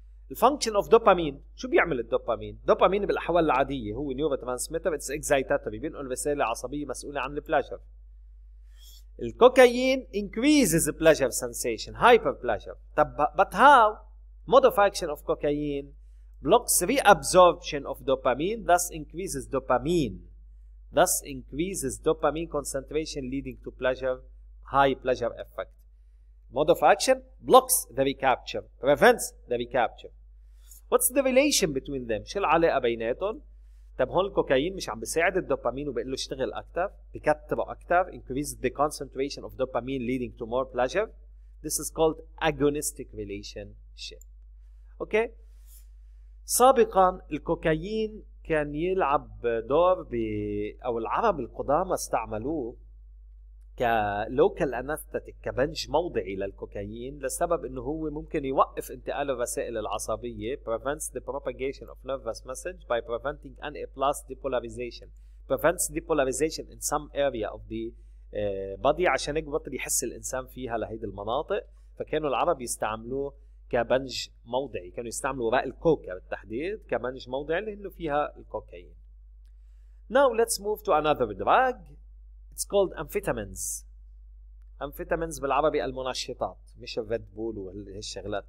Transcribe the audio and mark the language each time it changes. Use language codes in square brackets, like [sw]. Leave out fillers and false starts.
[en] The function of dopamine, [ar] شو بيعمل الدوبامين؟ دوبامين بالأحوال العادية هو neurotransmitter, [en] it's excitatory, [ar] بينقل رسالة عصبية مسؤولة عن pleasure. [en] الكوكايين increases pleasure sensation, hyper pleasure. طب but how? Mode of action of cocaine blocks reabsorption of dopamine, thus increases dopamine concentration leading to pleasure, high pleasure effect. Mode of action blocks the recapture, prevents the recapture. What's the relation between them? [ar] شو العلاقة بيناتهم؟ طب هون الكوكايين مش عم بيساعد الدوبامين وبقول له اشتغل أكتر بكتبه أكتر, [en] increases the concentration of dopamine leading to more pleasure. This is called agonistic relationship. Okay. [ar] سابقا الكوكايين كان يلعب دور او العرب القدامى استعملوه كلوكال انستاتيك كبنج موضعي للكوكايين لسبب انه هو ممكن يوقف انتقال الرسائل العصبيه [en] prevents the propagation of nervous message by preventing anaplastic depolarization prevents depolarization in some area of the [ar] body عشان يبطل يحس الانسان فيها لهيدي المناطق فكانوا العرب يستعملوه كبنج موضعي كانوا يستعملوا ورق الكوكا بالتحديد كبنج موضعي لأنه فيها الكوكايين. [en] Now let's move to another drug. It's called amphetamines. [ar] Amphetamines بالعربي المنشطات مش الريد بول وهالشغلات.